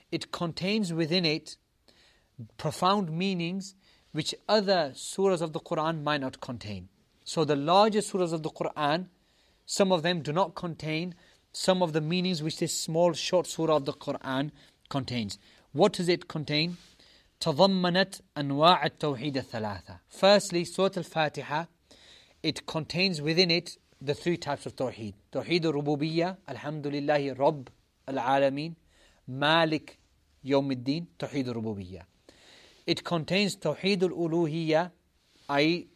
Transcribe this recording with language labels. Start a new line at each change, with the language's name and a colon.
English: It contains within it profound meanings which other surahs of the Qur'an might not contain. So the larger surahs of the Qur'an, some of them do not contain some of the meanings which this small short surah of the Quran contains. What does it contain?
Arabic: تضمنت أنواع التوحيد الثلاثة.
English: Firstly, Surah Al-Fatiha, it contains within it the three types of tawheed. Tawheed al-Rububiyyah,
Arabic: Alhamdulillahi Rabb al-Alameen, Malik Yawm al-Din,
English: Tawheed al-Rububiyyah. It contains Tawheed al-Uluhiyyah, i.e.